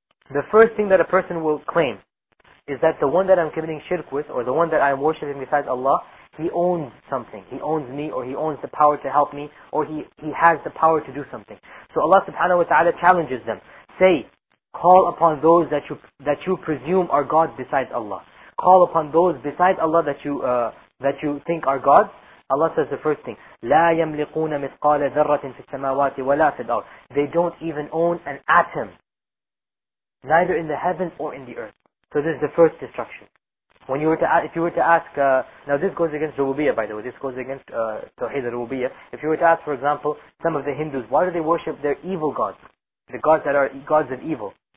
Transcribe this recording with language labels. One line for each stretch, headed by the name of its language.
English: The first thing that a person will claim is that the one that I'm committing shirk with, or the one that I'm worshipping besides Allah, he owns something. He owns me, or he owns the power to help me, or he has the power to do something. So Allah subhanahu wa ta'ala challenges them. Say, call upon those that you presume are gods besides Allah. Call upon those besides Allah that you think are gods. Allah says the first thing,
Arabic: لا يملكون مثقال ذرة في السماوات ولا في الأرض.
English: They don't even own an atom, neither in the heavens or in the earth. So this is the first destruction. If you were to ask, now this goes against Rububiyyah, by the way, this goes against Tawheed al-Rububiyyah. If you were to ask, for example, some of the Hindus, why do they worship their evil gods, the gods that are gods of evil?